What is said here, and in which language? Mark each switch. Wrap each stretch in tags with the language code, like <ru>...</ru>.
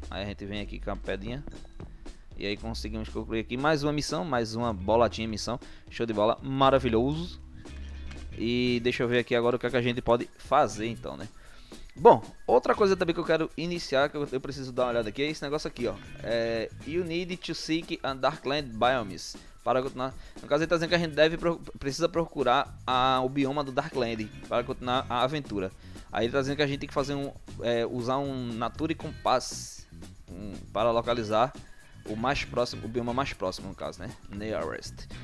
<pt>Aí a gente vem aqui com a pedinha. E aí conseguimos concluir aqui mais uma missão, mais uma bolatinha missão. Show de bola, maravilhoso. E deixa eu ver aqui agora o que, é que a gente pode fazer então, né. Bom, outra coisa também que eu quero iniciar, que eu preciso dar uma olhada aqui, é esse negócio aqui, ó.</pt> <en>É, you need to seek a Darkland Biomes.</en> <pt>Para continuar, no caso ele tá dizendo que a gente precisa procurar o bioma do Darkland para continuar a aventura. Aí ele tá dizendo que a gente tem que usar um Nature Compass para localizar o bioma mais próximo, no caso, né? Nearest.</pt>